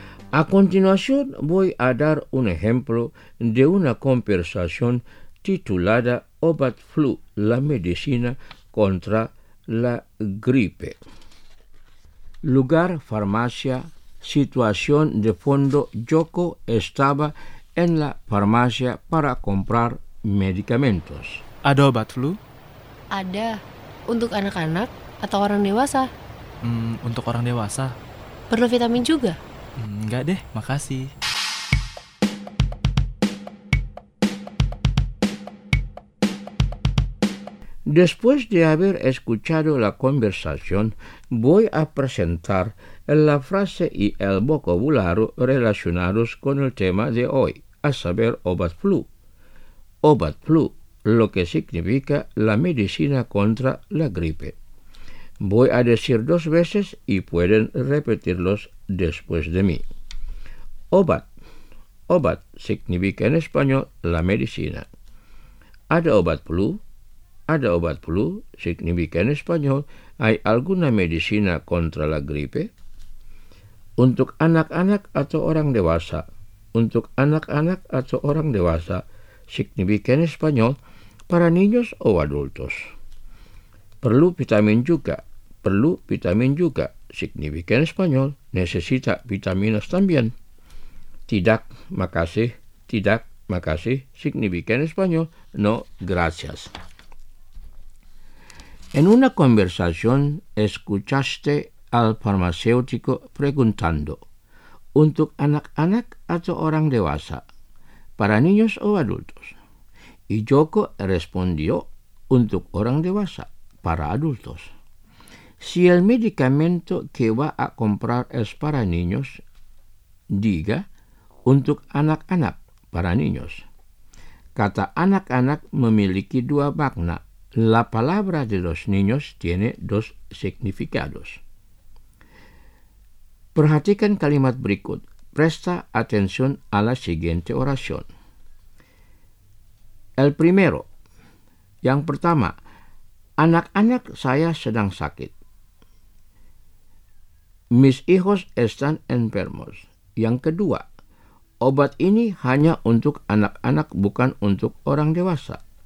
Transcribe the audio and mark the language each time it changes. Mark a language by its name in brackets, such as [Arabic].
[Spanish] A continuación voy a dar un ejemplo de una conversación titulada Obat Flu, la medicina contra la gripe. Lugar, farmacia, situación de fondo. Yoko estaba en la farmacia para comprar medicamentos. [Indonesian] ¿Ada obat flu? Ada. ¿Untuk anak-anak atau orang dewasa? Untuk orang dewasa. ¿Perlu vitamin juga? Enggak deh, makasih. [Spanish] Después de haber escuchado la conversación, voy a presentar la frase y el vocabulario relacionados con el tema de hoy, a saber, obat flu. Obat flu, lo que significa la medicina contra la gripe. Voy a decir dos veces y pueden repetirlos después de mí. Obat. Obat significa en español la medicina. [Indonesian] ¿Ada obat flu? ¿Ada obat flu? [Spanish] Significa en español, ¿hay alguna medicina contra la gripe? [Indonesian] Untuk anak-anak atau orang dewasa. Untuk anak-anak atau orang dewasa [Spanish] significa en español, para niños o adultos. [Indonesian] Perlu vitamin juga. Perlu vitamin juga [Spanish] significa en español, necesita vitaminas también. [Indonesian] Tidak, makasih. Tidak, makasih [Spanish] significa en español, no, gracias. En una conversación escuchaste al farmacéutico preguntando, [Indonesian] ¿untuk anak-anak atau orang dewasa? [Spanish] ¿Para niños o adultos? Y Yoko respondió, [Indonesian] ¿untuk orang dewasa? [Spanish] ¿Para adultos? Si el medicamento que va a comprar es para niños, diga, [Indonesian] ¿untuk anak-anak? [Spanish] ¿Para niños? [Indonesian] kata anak-anak memiliki dua makna. [Spanish] La palabra de los niños tiene dos significados. [Indonesian] Perhatikan kalimat berikut. [Spanish] Presta atención a la siguiente oración. El primero. [Indonesian] Yang pertama, anak-anak saya sedang sakit. [Spanish] Mis hijos están enfermos. [Indonesian] Yang kedua, obat ini hanya untuk anak-anak, bukan untuk orang dewasa.